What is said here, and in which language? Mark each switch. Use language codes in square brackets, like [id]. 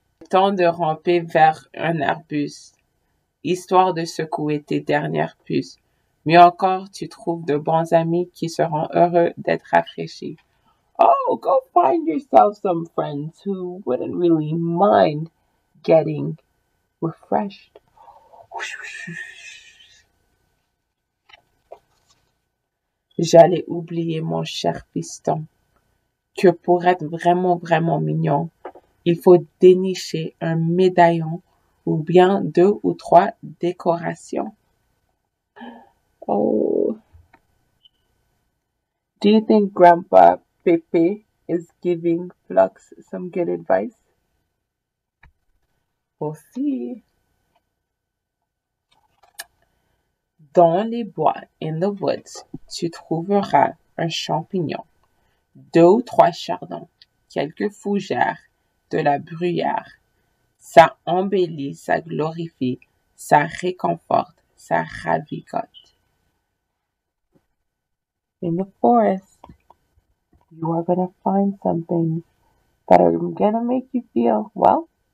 [fr] Temps de ramper vers un arbuste, histoire de secouer tes dernières puces. Mieux encore, tu trouves de bons amis qui seront heureux d'être rafraîchis. [en] Oh, go find yourself some friends who wouldn't really mind getting refreshed. [fr] J'allais oublier mon cher piston, que pour être vraiment, vraiment mignon, il faut dénicher un médaillon ou bien deux ou trois décorations. Oh. [en] Do you think Grandpa Pepe is giving Flox some good advice? We'll see. [fr] Dans les bois, [en] in the woods, [fr] tu trouveras un champignon, deux ou trois chardons, quelques fougères, de la bruyère. Ça embellit, ça glorifie, ça réconforte, ça ravigote. [en] In the forest, you are going to find some things that are going to make you feel well.